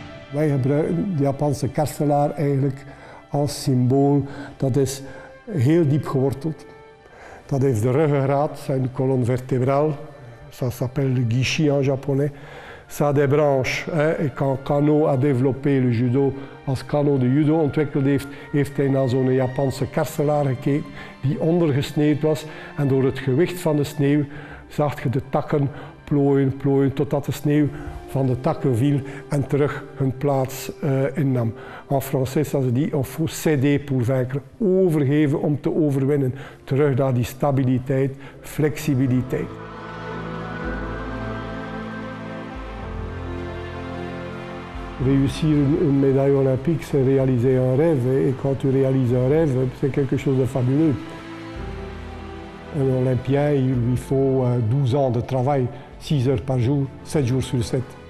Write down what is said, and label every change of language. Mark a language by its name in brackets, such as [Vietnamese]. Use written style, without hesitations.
[Dutch] Wij gebruiken de Japanse kerstelaar eigenlijk als symbool. Dat is heel diep geworteld. Dat heeft de ruggengraat, zijn [French] colonne vertebrale. Ça s'appelle le guichi en japonais. Ça des branches. Hein. Et quand Kano a développé le judo, [Dutch] als Kano de judo ontwikkeld heeft, heeft hij naar zo'n Japanse kerstelaar gekeken die ondergesneeuwd was. En door het gewicht van de sneeuw zag je de takken plooien, plooien, totdat de sneeuw van de takken viel en terug hun plaats innam. En Français zeiden die, of [French] céder pour vaincre, [Dutch] overgeven om te overwinnen. Terug naar die stabiliteit, flexibiliteit. [French] Réussir une médaille olympique, c'est réaliser un rêve. Et quand tu réalises un rêve, c'est quelque chose de fabuleux. Un Olympien, il lui faut 12 ans de travail, 6 heures par jour, 7 jours sur 7.